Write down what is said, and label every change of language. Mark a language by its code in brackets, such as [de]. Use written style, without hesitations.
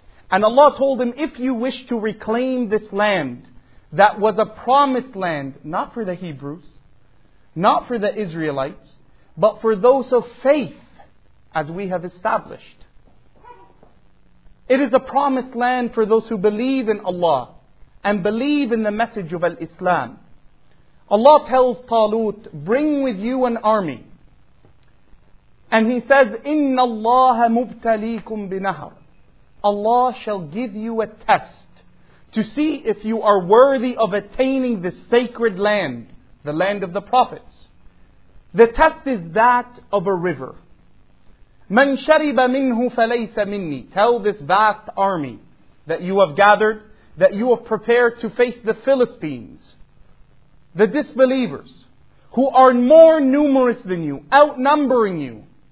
[en] And Allah told him, if you wish to reclaim this land that was a promised land, not for the Hebrews, not for the Israelites, but for those of faith, as we have established. It is a promised land for those who believe in Allah and believe in the message of Al-Islam. Allah tells Talut, bring with you an army. And he says, [ar] إِنَّ اللَّهَ مُبْتَلِيكُمْ بِنَهَرٍ. [en] Allah shall give you a test to see if you are worthy of attaining this sacred land, the land of the prophets. The test is that of a river. [ar] مَنْ شَرِبَ مِنْهُ فَلَيْسَ مِنِّي. [en] Tell this vast army that you have gathered, that you have prepared to face the Philistines, the disbelievers, who are more numerous than you, outnumbering you.